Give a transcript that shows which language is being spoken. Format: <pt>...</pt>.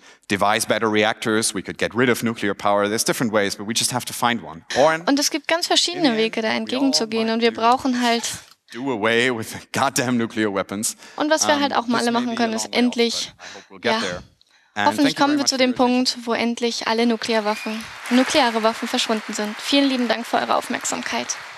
<en>Devise better reactors, we could get rid of nuclear power. There's different ways, but we just have to find one.</en> <de>Und es gibt ganz verschiedene Wege, da entgegenzugehen. Und wir brauchen halt.</de> <en>Do away with goddamn nuclear weapons.</en> <de>Und was wir halt auch mal alle machen können, ist endlich, hoffentlich kommen wir zu dem Punkt, wo endlich alle nukleare Waffen verschwunden sind. Vielen lieben Dank für eure Aufmerksamkeit.</de>